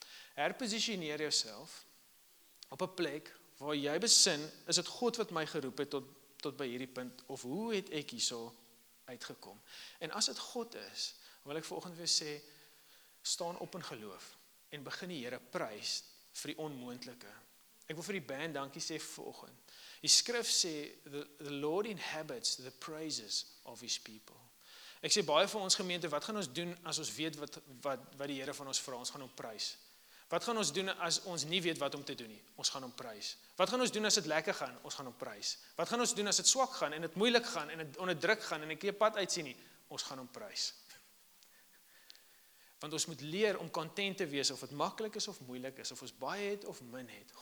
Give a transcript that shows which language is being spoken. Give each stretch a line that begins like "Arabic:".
Afrikaans: Herpositioneer jouself op 'n plek waar jy besin, is het God wat my geroep het tot by hierdie punt, of hoe het ek hier so uitgekom? En as het God is, wil ek volgende weer sê, staan op in geloof en begin die Here prys vir die onmoontlike. Ek wil vir die band dankie sê vanoggend. Die skrif sê,
English: the Lord inhabits the praises of his people.
Afrikaans: Ek sê baie vir ons gemeente, wat gaan ons doen as ons weet wat die Here van ons vra, ons gaan hom prys. Wat gaan ons doen as ons nie weet wat om te doen nie? Ons gaan hom prys. Wat gaan ons doen as het lekker gaan? Ons gaan hom prys. Wat gaan ons doen as het swak gaan en het moeilik gaan en het onder druk gaan en ek nie pad uitsien nie? Ons gaan hom prys. Want ons moet leer om content te wees of het makkelijk is of moeilik is, of ons baie het of min het.